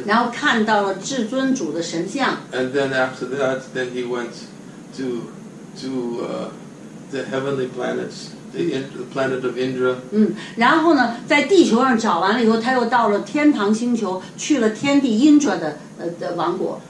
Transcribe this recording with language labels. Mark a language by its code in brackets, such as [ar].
[zh] 然后看到了至尊主的神像。 [en] And then after that, then he went to the heavenly planets. The planet of Indra. [zh] 然后呢，在地球上找完了以后，他又到了天堂星球，去了天帝 Indra 的王国。